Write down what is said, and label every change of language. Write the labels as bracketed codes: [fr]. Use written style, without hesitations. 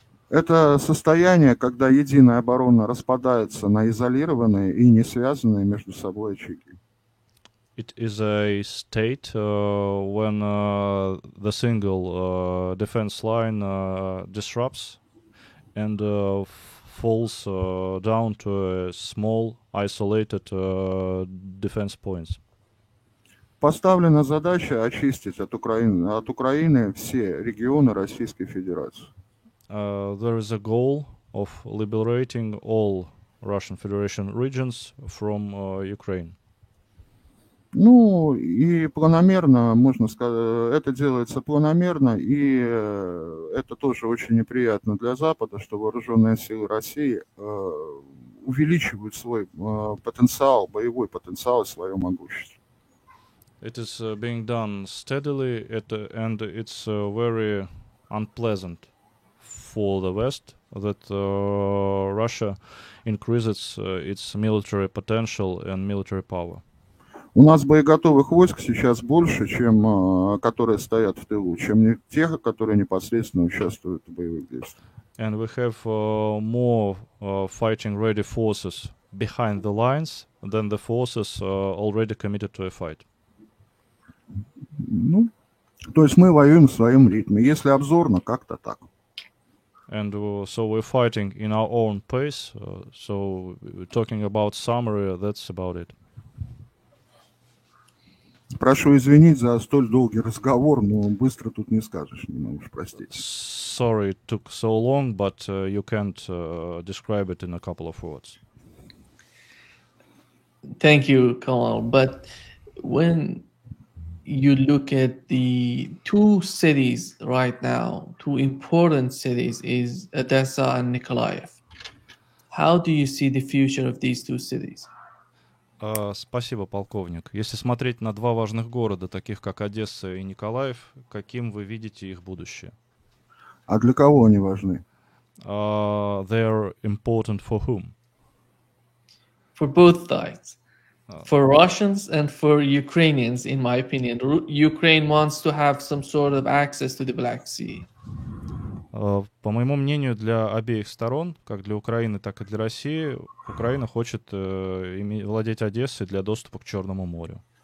[ru] Это состояние, когда единая оборона распадается на изолированные и не связанные между собой очаги. [en] It is a state when the single defense line disrupts and falls down to a small isolated defense points. [ru] Поставлена задача очистить от Украины все регионы Российской Федерации. [en] There is a goal of liberating all Russian Federation regions from Ukraine. [ru] Ну и планомерно, можно сказать, это делается планомерно, и это тоже очень неприятно для Запада, что вооруженные силы России увеличивают свой потенциал, боевой потенциал и свое могущество. [en] It is being done steadily, and it's very unpleasant for the West that Russia increases its military potential and military power. [ru] У нас боеготовых войск сейчас больше, чем которые стоят в тылу, чем тех, которые непосредственно участвуют в боевых действиях. [en] And we have more fighting ready forces behind the lines than the forces already committed to a fight. [ru] Ну, то есть мы воюем в своем ритме, если обзорно, как-то так. [en] And so we're fighting in our own pace, so talking about summary, that's about it. [ru] Прошу извинить за столь долгий разговор, но быстро тут не скажешь, не можешь простить. [en] Sorry, it took so long, but you can't describe it in a couple of words. Thank you, Kalal. But when you look at the two cities right now, two important cities is Odessa and Nikolaev. How do you see the future of these two cities? [ru] Спасибо, полковник. Если смотреть на два важных города, таких как Одесса и Николаев, каким вы видите их будущее? А для кого они важны? [en] They are important for whom? For both sides. For Russians and for Ukrainians, in my opinion. Ukraine wants to have some sort of access to the Black Sea. [ru] По моему мнению, для обеих сторон, как для Украины, так и для России, Украина хочет владеть Одессой для доступа к Черному морю.